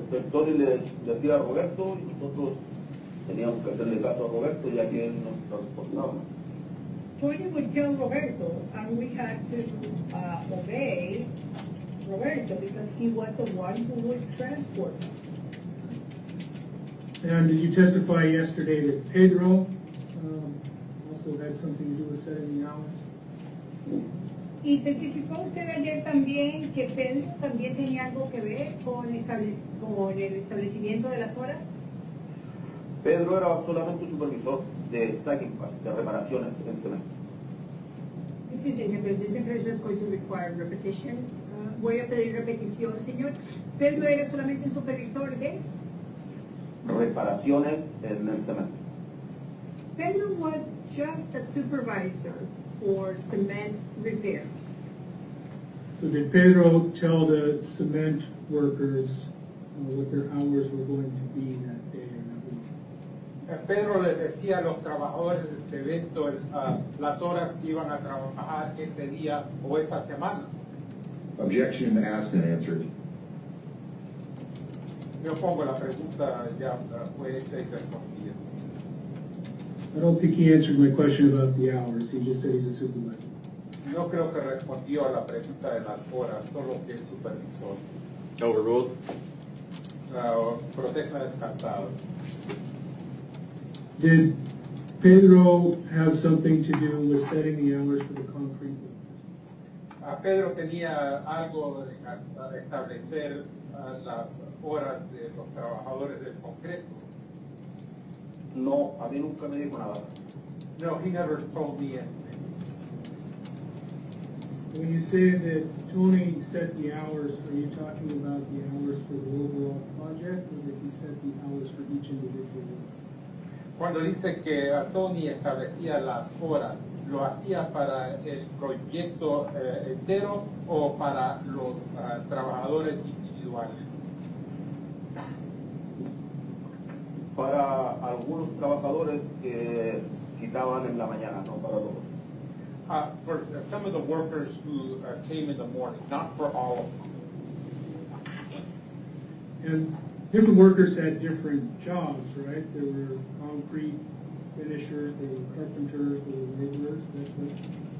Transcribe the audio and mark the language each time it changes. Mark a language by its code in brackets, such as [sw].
[es] Tony le decía a Roberto y nosotros teníamos que hacerle caso a Roberto ya que él nos transportaba. [en] Tony would tell Roberto, and we had to obey Roberto because he was the one who would transport us. And did you testify yesterday that Pedro also had something to do with setting the hours? [es] ¿Y testificó usted ayer también que Pedro también tenía algo que ver con el establecimiento de las horas? Pedro era solamente un supervisor de stacking pass, de reparaciones en cemento. [en] This is independent. This is just going to require repetition. [es] Voy a pedir repetición, señor. Pedro era solamente un supervisor de reparaciones en el cemento. [en] Pedro was just a supervisor for cement repairs. So did Pedro tell the cement workers what their hours were going to be in that day or that week? [es] Pedro les decía a los trabajadores del cemento las horas que iban a trabajar ese día o esa semana. [en] Objection asked and answered. [es] Yo pongo la pregunta ya fue hecha y respondida. [en] I don't think he answered my question about the hours. He just said he's a supervisor. [es] No creo que respondió a la pregunta de las horas, solo que es supervisor. [en] Overruled. [es] Protesta descartado. [en] Did Pedro have something to do with setting the hours for the concrete workers? [es] Pedro tenía algo de establecer las horas de los trabajadores del concreto. No, a mí nunca me dijo nada. [en] No, he never told me anything. When you say that Tony set the hours, are you talking about the hours for the overall project, or that he set the hours for each individual worker? [es] Cuando dice que Tony establecía las horas, ¿lo hacía para el proyecto entero o para los trabajadores individuales? Para algunos trabajadores que quitaban en la mañana, no para todos. [en] For some of the workers who came in the morning, not for all of them. Different workers had different jobs, right? There were concrete finishers, there were carpenters, there were laborers, that's right.